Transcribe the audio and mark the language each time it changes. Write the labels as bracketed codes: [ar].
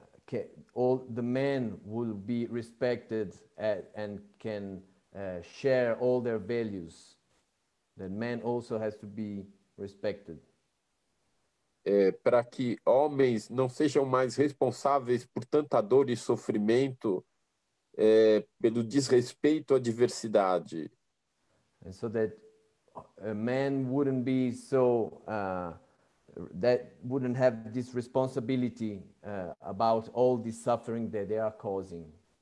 [en] can, all the men will be respected at, and can share all their values. That man also has to be respected. [pt] É, para que homens não sejam mais responsáveis por tanta dor e sofrimento, é, pelo desrespeito à diversidade. [en] And so that a man wouldn't be so, that wouldn't have this responsibility about all the suffering that they are causing.